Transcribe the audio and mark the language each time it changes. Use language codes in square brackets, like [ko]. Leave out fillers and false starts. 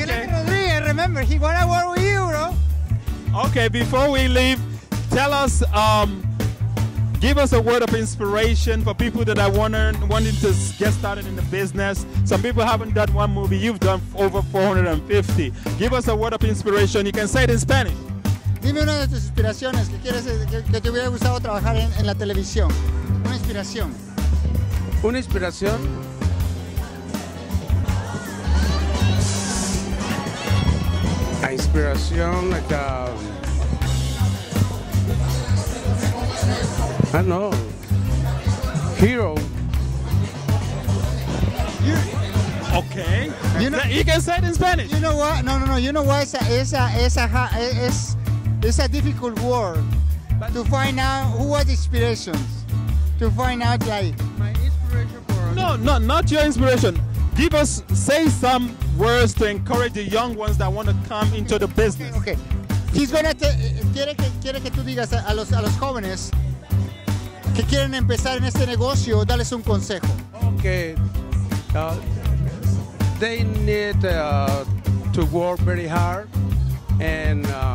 [en] Miguel Rodriguez, remember, he wanna work with you, bro. Okay, before we leave, tell us, give us a word of inspiration for people that are wanting to get started in the business. Some people haven't done one movie, you've done over 450. Give us a word of inspiration, you can say it in Spanish. [es] Dime una de tus inspiraciones que quieres que te hubiera gustado trabajar en la televisión. Una inspiración. Una inspiración. La inspiración, [en] like a. I know. Hero. Okay. You know. You can say it in Spanish. You know what? No. You know what? [es] Esa es. [en] It's a difficult word to find out who are the inspirations. To find out, like. My inspiration for. No, not your inspiration. Give us, say some words to encourage the young ones that want to come into the business. Okay. He's going to. [es] Quiere que tú digas a los jóvenes que quieren empezar en este negocio, dales un consejo. [en] Okay. They need to work very hard and.